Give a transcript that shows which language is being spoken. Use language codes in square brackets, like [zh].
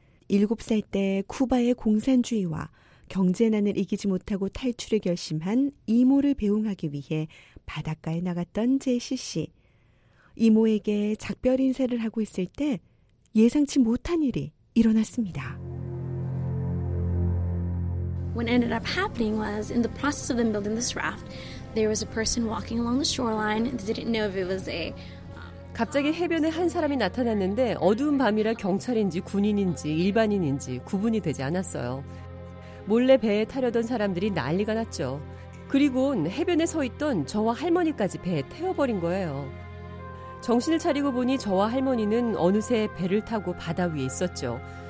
[ko] 7살 때 쿠바의 공산주의와 경제난을 이기지 못하고 탈출을 결심한 이모를 배웅하기 위해 바닷가에 나갔던 제시 씨. 이모에게 작별 인사를 하고 있을 때 예상치 못한 일이 일어났습니다. [en] What ended up happening was in the process of them building this raft, there was a person walking along the shoreline and didn't know if it was a [ko] 갑자기 해변에 한 사람이 나타났는데 어두운 밤이라 경찰인지 군인인지 일반인인지 구분이 되지 않았어요. 몰래 배에 타려던 사람들이 난리가 났죠. 그리고는 해변에 서 있던 저와 할머니까지 배에 태워버린 거예요. 정신을 차리고 보니 저와 할머니는 어느새 배를 타고 바다 위에 있었죠.